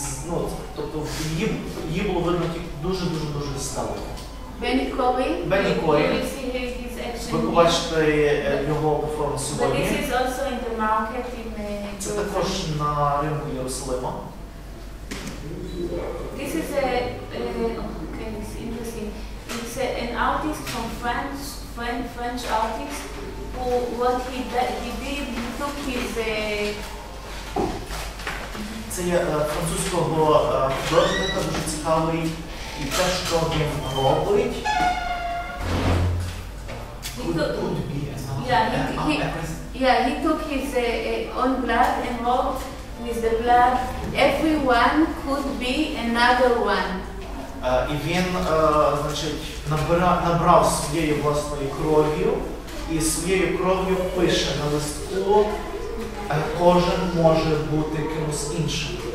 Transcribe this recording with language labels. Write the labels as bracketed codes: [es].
[uk] Ну, тобто її було видно тільки дуже-дуже-дуже стало. Бенікові. Ви побачите його перформанс сьогодні. [en] This is also in the market in [uk] Це також на ринку Єрусалима. [en] This is okay, it's interesting. It's an artist from French artist who what he did, he took his [uk] Це є французького художника, дуже цікавий, і те, що він робить. [en] He took his own blood and wrote with the blood, everyone could be another one. [uk] І він, значить, набрав своєю власною кров'ю і своєю кров'ю пише на листку, кожен може бути кимось іншим.